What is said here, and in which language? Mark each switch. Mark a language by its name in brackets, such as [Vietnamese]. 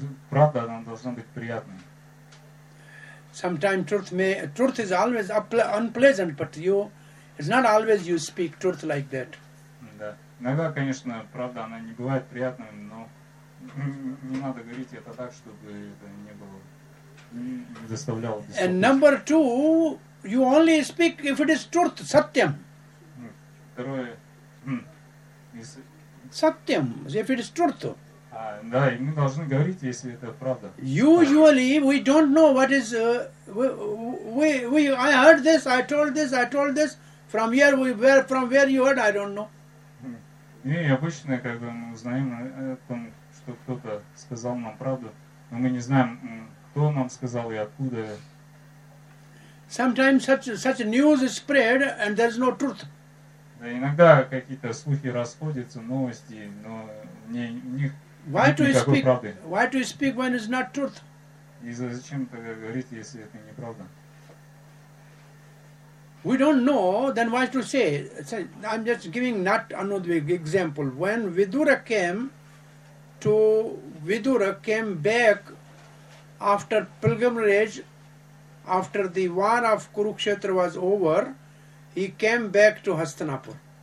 [Russian] Правда, она должна быть приятной. [English] Sometimes truth is always unpleasant, but you it's not always you speak truth like that. [Russian] Да. Иногда, конечно, правда, она не бывает приятной, но не надо говорить это так, чтобы это не было, не доставляло беспокойства. [English] And number two, you only speak if it is truth, satyam. [Russian] Второе. [English] Satyam, if it is truth. [Russian] Да, и мы должны говорить, если это правда. [English] Usually we don't know what is... I heard this, I told this, I told this. From here, from where you heard, I don't know. [Russian] И обычно, когда мы узнаем о том, что кто-то сказал нам правду, но мы не знаем, кто нам сказал и откуда. [English] Sometimes such news is spread and there is no truth. [Russian] Да, иногда какие-то слухи расходятся, новости, но в них нет никакой правды. [English] Why to speak when it's not truth? [Russian] И зачем тогда говорить, если это не правда? [English] we don't know, then why to say? So I'm just giving not Anudvig example. When Vidura came to Vidura came back after pilgrimage, after the war of Kurukshetra was over, he came back to Hastinapur.